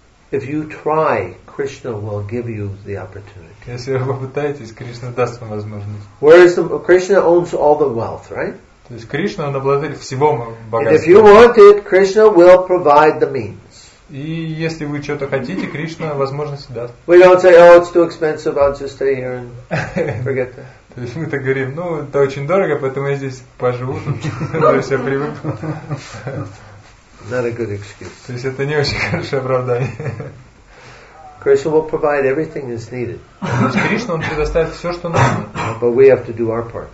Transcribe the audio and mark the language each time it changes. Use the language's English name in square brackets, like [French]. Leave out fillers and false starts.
[English] If you try, Krishna will give you the opportunity. [Russian] Если вы попытаетесь, Кришна даст вам возможность. [English] Whereas Krishna owns all the wealth, right? [Russian] То есть Кришна он обладатель всего богатства. [English] And if you want it, Krishna will provide the means. [Russian] И если вы что-то хотите, Кришна возможность даст. [English] We don't say, oh, it's too expensive, I'll just stay here and forget that. [Russian] То есть мы так говорим, ну это очень дорого, поэтому я здесь поживу, я все привык. [English] Not a good excuse. [Russian] То есть это не очень хорошее оправдание. [English] Krishna will provide everything that's needed. [Russian] Кришна он предоставит все, что нужно. [English] But we have to do our part.